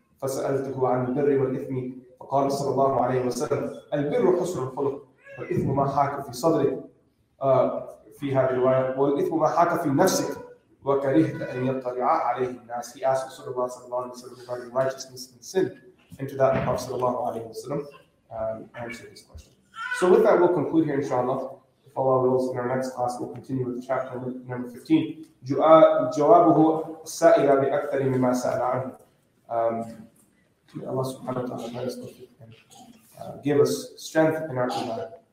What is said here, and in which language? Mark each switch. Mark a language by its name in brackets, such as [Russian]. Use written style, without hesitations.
[Arabic] فَسَأَلْتُهُ عَنْ بِرِّ وَالْإِثْمِ فَقَالَ صَلَى اللَّهُ عَلَيْهِ وَسَلَّمَ الْبِرُّ حُسْنُ الْخُلُقِ وَالْإِثْمُ مَا حَاكَ فِي صَدْرِكَ فِيهَا رِوَايَةٌ وَالْإِثْمُ مَا حَاكَ فِي نَفْسِكَ وَكَرِهْتَ أَنْ يَطَّلِعَ عَلَيْهِ النَّاسُ. [English] He asked Rasulullah [Arabic] صلى الله عليه وسلم [English] regarding righteousness and sin. Into that, the Prophet ﷺ answered his question. So with that, we'll conclude here, inshallah. If Allah wills, in our next class, we'll continue with chapter number 15. [Arabic] جوابه السائل بأكثر مما سأل عنه. [English] May Allah subhanahu wa ta'ala let us look at him. Give us strength in our iman.